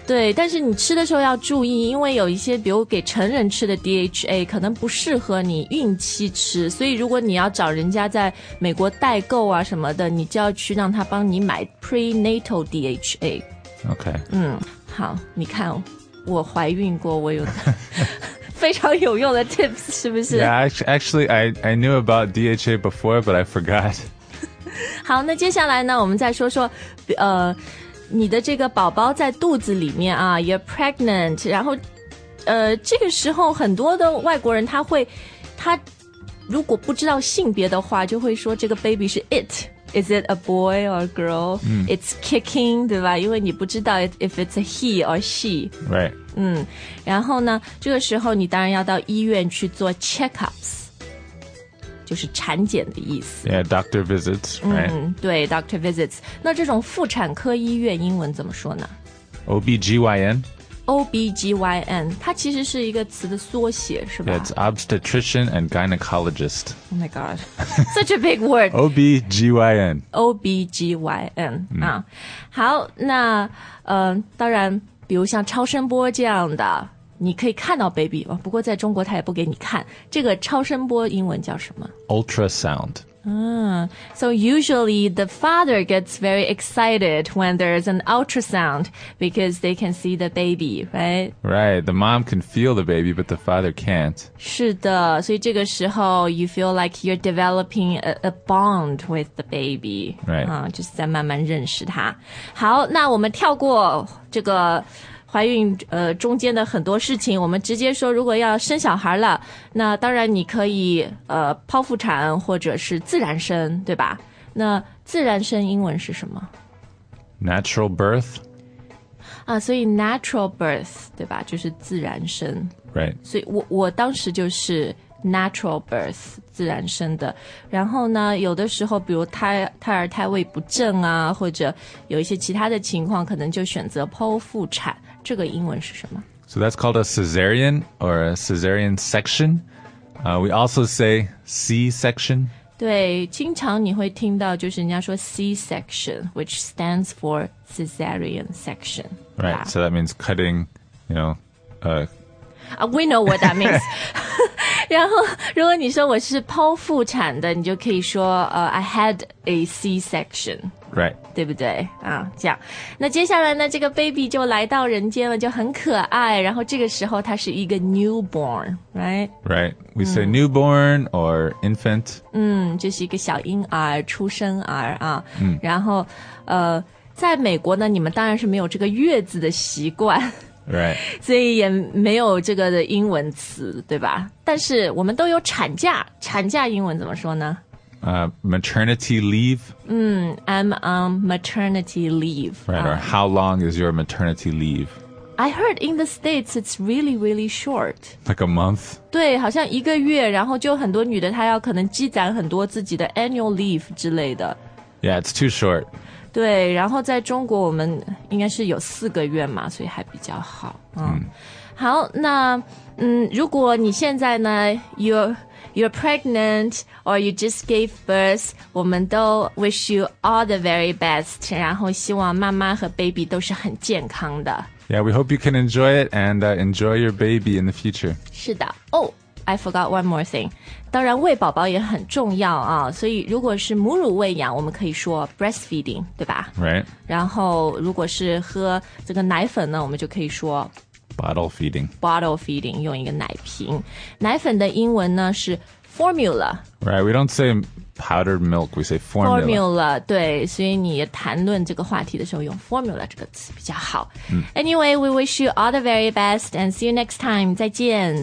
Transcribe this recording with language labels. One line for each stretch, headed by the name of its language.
Chinese: 对，但是你吃的时候要注意，因为有一些比如给成人吃的 DHA 可能不适合你孕期吃，所以如果你要找人家在美国代购啊什么的，你就要去让他帮你买 prenatal DHA.
English: Okay.
Chinese: 嗯，好，你看，我怀孕过，我有非常有用的 tips, 是不是？
English: Yeah, actually, I knew about DHA before, but I forgot.
Chinese: 好，那接下来呢，我们再说说，你的这个宝宝在肚子里面啊 ，
English: you're pregnant，
Chinese: 然后，这个时候很多的外国人他如果不知道性别的话，就会说这个 baby 是 it，
English: is it a boy or a girl？ It's kicking，
Chinese: 对吧？ 因为你不知道
English: if it's a he or she， right？
Chinese: 嗯，然后呢，这个时候你当然要到医院去做 checkups。就是产检的意思。
English: Yeah, doctor visits, right?、嗯、对 ,doctor visits.
Chinese: 那这种妇产科医院英文怎么说呢
English: ?OBGYN. OBGYN.
Chinese: 它其实是一个词的缩写是吧
English: yeah, it's obstetrician and gynecologist. Oh my god. Such a big word. OBGYN. OBGYN.、Mm.
Chinese: 啊、好那、当然比如像超声波这样的。你可以看到 baby 不过在中国他也不给你看这个超声波英文叫什么
English: Ultrasound、 So usually the father gets very excited when there is an ultrasound because they can see the baby, right? Right, the mom can feel the baby but the father can't 是的所以这个时候 you feel like you're developing a bond with the baby Right、
Chinese: 就是在慢慢认识他好那我们跳过这个怀孕中间的很多事情我们直接说如果要生小孩了那当然你可以剖腹产或者是自然生对吧那自然生英文是什么
English: Natural birth
Chinese: 啊所以 natural birth 对吧就是自然生
English: Right
Chinese: 所以我当时就是 natural birth 自然生的然后呢有的时候比如胎儿胎位不正啊或者有一些其他的情况可能就选择剖腹产这个英文是什么
English: So that's called a cesarean or a cesarean section.、we also say C-section. 对经常你会听到就是人家说 C-section, which stands for cesarean section. Right,、so that means cutting, you know.、 we know what that means.
Chinese: 然后如果你说我是剖腹产的你就可以说、
English: I had a C-section. Right.
Chinese: 对不对、啊、这样那接下来呢这个 baby 就来到人间了就很可爱然后这个时候它是一个 newborn Right?
English: Right. We say、嗯、newborn or infant
Chinese: 嗯就是一个小婴儿出生儿啊、嗯、然后在美国呢你们当然是没有这个月子的习惯
English: Right.
Chinese: 所以也没有这个的英文词对吧但是我们都有产假产假英文怎么说呢
English: maternity leave? I'm on maternity leave. Right, or how long is your maternity leave? I heard in the States it's really, really short. Like a month?
Chinese: 对好像一个月然后就很多女的她要可能积攒很多自己的 annual leave 之类的。
English: Yeah, it's too short.
Chinese: 对然后在中国我们应该是有四个月嘛所以还比较好。嗯。好那如果你现在呢
English: You're pregnant or you just gave birth, 我们都 wish you all the very best,
Chinese: 然后希望妈妈和 baby 都是很健康的。
English: Yeah, we hope you can enjoy it and enjoy your baby in the future.
Chinese: 是的。
English: Oh, I forgot one more thing.
Chinese: 当然喂宝宝也很重要啊所以如果是母乳喂养我们可以说 breastfeeding, 对吧
English: Right.
Chinese: 然后如果是喝这个奶粉呢我们就可以说
English: Bottle feeding. Bottle feeding,
Chinese: 用一个奶瓶。奶粉的英文呢是 formula.
English: Right, we don't say powdered milk, we say formula.
Chinese: Formula, 对,所以你谈论这个话题的时候用 formula 这个词比较好。
English: Anyway, we wish you all the very best and see you next time.
Chinese: 再见。